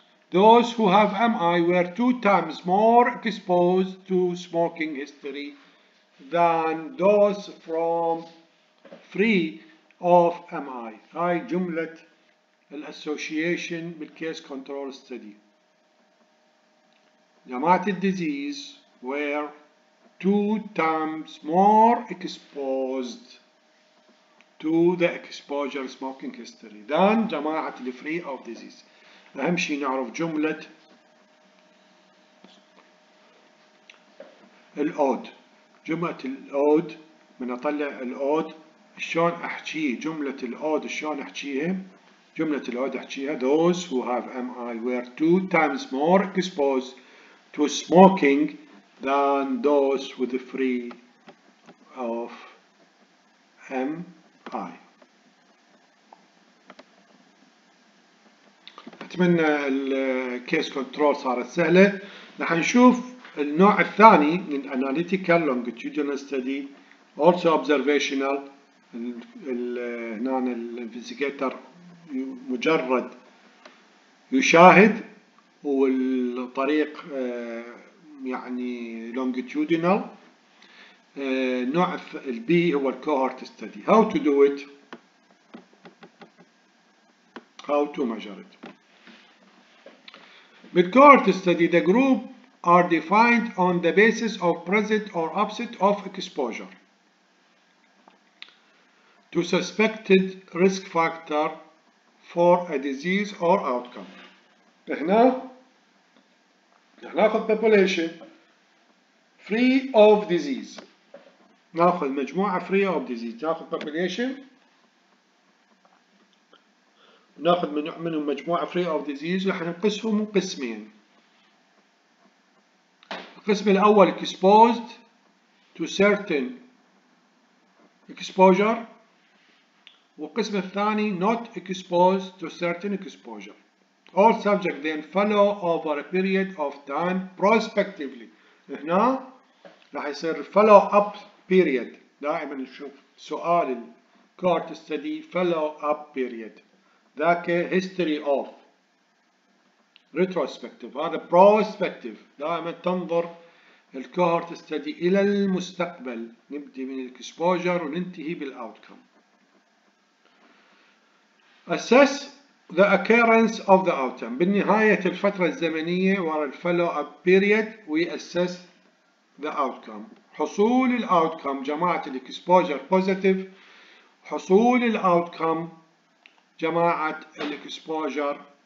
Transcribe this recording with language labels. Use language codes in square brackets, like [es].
[en] Those who have MI were 2 times more exposed to smoking history than those from free of MI. [ar] هاي جملة الاسوشيشن بالكيس كنترول ستدي. جماعة الديزيز [en] were 2 times more exposed to the exposure smoking history than [ar] جماعة الفري [en] of disease. [ar] أهم شيء نعرف جملة الاود. جملة الاود من اطلع الاود شلون احكيه. جملة الاود شلون احكيها. [en] جملة الاود احكيها those who have MI were 2 times more exposed to smoking than those with the free of MI. [ar] اتمنى الكيس كنترول صارت سهلة. راح نشوف النوع الثاني من [en] analytical longitudinal study also observational. [ar] هنا الانفستيجيتر مجرد يشاهد والطريق يعني longitudinal. نوع البي هو cohort study. [en] How to do it? How to measure it? With cohort study the group are defined on the basis of present or absent of exposure to suspected risk factor for a disease or outcome. [ar] هنا ناخذ population [en] free of disease. [ar] ناخذ مجموعة [en] free of disease. [ar] ناخذ population ناخذ منهم مجموعة [en] free of disease [ar] راح نقسمهم قسمين. القسم الأول [en] exposed to certain exposure [ar] والقسم الثاني [en] not exposed to certain exposure. All subject then follow over a period of time prospectively. [ar] هنا راح يصير follow up period. دائما نشوف سؤال [en] cohort study follow up period. [ar] ذاك [en] history of [ar] retrospective هذا prospective دائما تنظر الكوهورت ستدي إلى المستقبل نبدأ من الاكسبوجر وننتهي بالأوتكم [en] assess the occurrence of the outcome [ar] بالنهاية الفترة الزمنية وراء الفولو اب بيريد وي [en] assess the outcome [ar] حصول الأوتكم جماعة الاكسبوجر بوزيتيف حصول الأوتكم جماعة الاكسبوجر